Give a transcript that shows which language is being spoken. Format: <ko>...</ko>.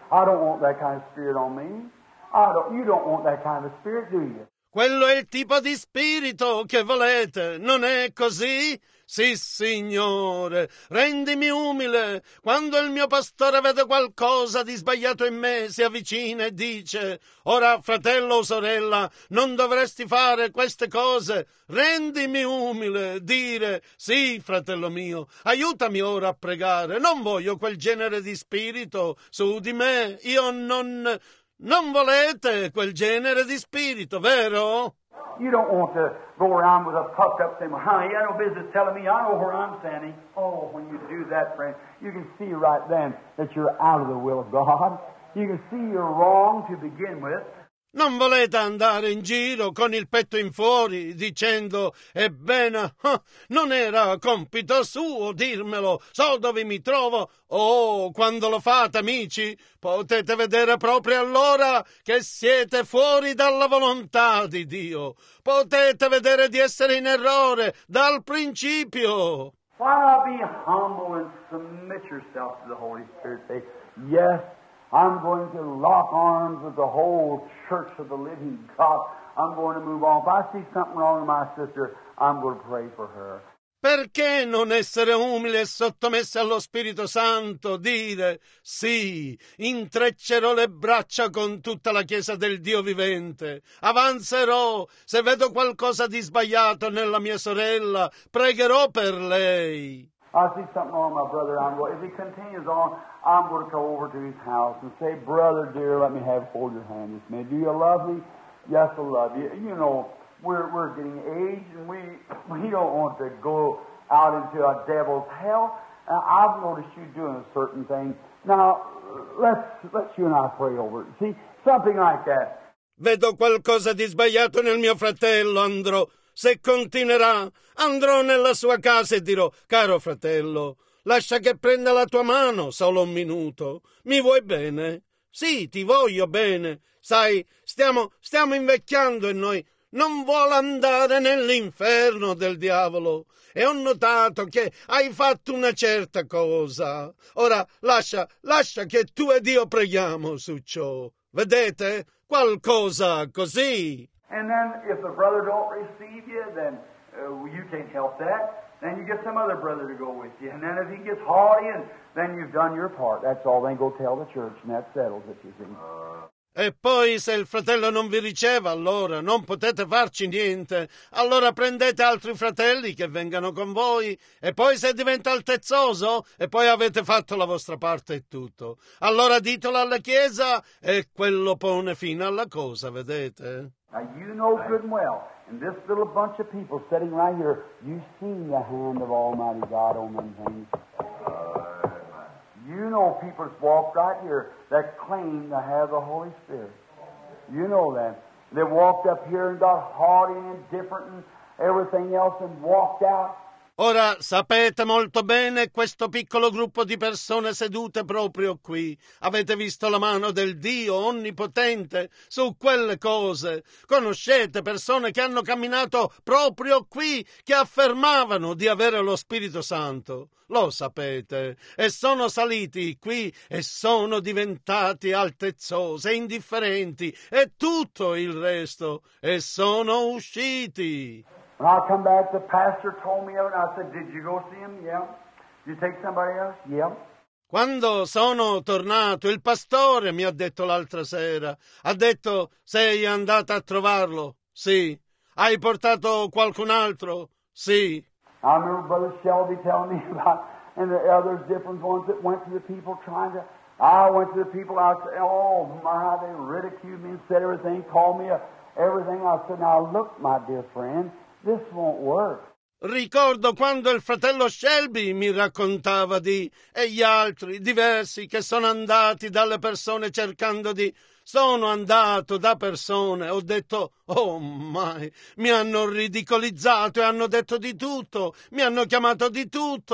<en>I don't want that kind of spirit on me. You don't want that kind of spirit, do you?</en> <it>Quello è il tipo di spirito che volete, non è così? Sì, Signore, rendimi umile. Quando il mio pastore vede qualcosa di sbagliato in me, si avvicina e dice, ora, fratello o sorella, non dovresti fare queste cose. Rendimi umile, dire, sì, fratello mio, aiutami ora a pregare. Non voglio quel genere di spirito su di me. Io non volete quel genere di spirito, vero?</it> <en>You don't want to go around with a puffed up thing. Honey, you got no business telling me. I know where I'm standing. Oh, when you do that, friend, you can see right then that you're out of the will of God. You can see you're wrong to begin with.</en> <it>Non volete andare in giro con il petto in fuori dicendo, ebbene, non era compito suo dirmelo, so dove mi trovo. Oh, quando lo fate, amici, potete vedere proprio allora che siete fuori dalla volontà di Dio. Potete vedere di essere in errore dal principio.</it> <en>Why not be humble and submit yourself to the Holy Spirit? Say, yes. I'm going to lock arms with the whole church of the living God. I'm going to move on. If I see something wrong with my sister, I'm going to pray for her.</en> <it>Perché non essere umile e sottomessa allo Spirito Santo? Dire, sì, intreccerò le braccia con tutta la Chiesa del Dio vivente. Avanzerò, se vedo qualcosa di sbagliato nella mia sorella, pregherò per lei.</it> <en>I see something wrong with my brother. If he continues on, I'm going to go over to his house and say, brother dear, let me hold your hand this minute. Do you love me? Yes, I love you. You know, we're getting aged and we don't want to go out into a devil's hell. Now, I've noticed you doing a certain thing. Now, let's you and I pray over it. See, something like that.</en> <it>Vedo qualcosa di sbagliato nel mio fratello, Andro. Se continuerà, andrò nella sua casa e dirò, caro fratello, lascia che prenda la tua mano solo un minuto. Mi vuoi bene? Sì, ti voglio bene. Sai, stiamo invecchiando e noi non vuole andare nell'inferno del diavolo. E ho notato che hai fatto una certa cosa. Ora lascia che tu ed io preghiamo su ciò. Vedete? Qualcosa così.</it> <en>And then if the brother don't receive you, then you can't help that. Then you get some other brother to go with you. And then if he gets haughty, then you've done your part. That's all. Then go tell the church, and that settles it, you see.</en> <it>E poi se il fratello non vi riceve, allora non potete farci niente. Allora prendete altri fratelli che vengano con voi. E poi se diventa altezzoso, e poi avete fatto la vostra parte e tutto. Allora ditelo alla chiesa e quello pone fine alla cosa, vedete?</it> <en>Now you know good and well, in this little bunch of people sitting right here, you've seen the hand of Almighty God on them things. You know people that walked right here that claim to have the Holy Spirit. You know them. They walked up here and got haughty and indifferent and everything else and walked out.</en> <it>Ora, sapete molto bene questo piccolo gruppo di persone sedute proprio qui. Avete visto la mano del Dio onnipotente su quelle cose. Conoscete persone che hanno camminato proprio qui, che affermavano di avere lo Spirito Santo. Lo sapete. E sono saliti qui e sono diventati altezzosi, indifferenti e tutto il resto. E sono usciti.</it> <en>When I come back, the pastor told me of it, and I said, did you go see him? Yeah. Did you take somebody else? Yeah.</en> <it>Quando sono tornato, il pastore mi ha detto l'altra sera. Ha detto, sei andata a trovarlo? Sì. Hai portato qualcun altro? Sì.</it> <en>I remember Brother Shelby telling me about and the others, different ones that went to the people trying to... I went to the people, I said, oh my, they ridiculed me and said everything, called me everything. I said, now look, my dear friend, this won't work.</en> <it>Ricordo quando il fratello Shelby mi raccontava di e gli altri diversi che sono andati dalle persone cercando di... Sono andato da persone, ho detto, oh mai, mi hanno ridicolizzato e hanno detto di tutto, mi hanno chiamato di tutto.</it>